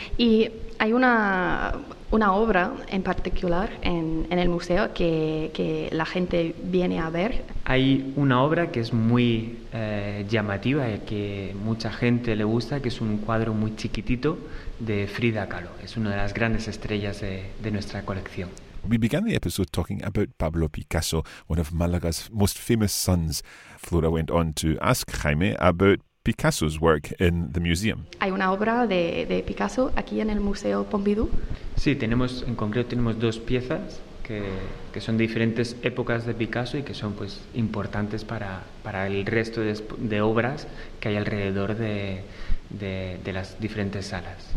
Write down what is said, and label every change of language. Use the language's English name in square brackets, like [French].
[Spanish] Y hay una obra en particular en el museo que la gente viene a ver. Hay una obra que es muy llamativa y que mucha gente le gusta, que es un cuadro muy chiquitito de Frida Kahlo. Es una de las grandes estrellas de nuestra colección. [English] We began the episode talking about Pablo Picasso, one of Málaga's most famous sons. Flora went on to ask Jaime about Picasso's work in the museum. [Spanish] Hay una obra de Picasso aquí en el Museo Pompidou. Sí, tenemos en concreto 2 piezas que son de diferentes épocas de Picasso y que son pues importantes para el resto de obras que hay alrededor de las diferentes salas.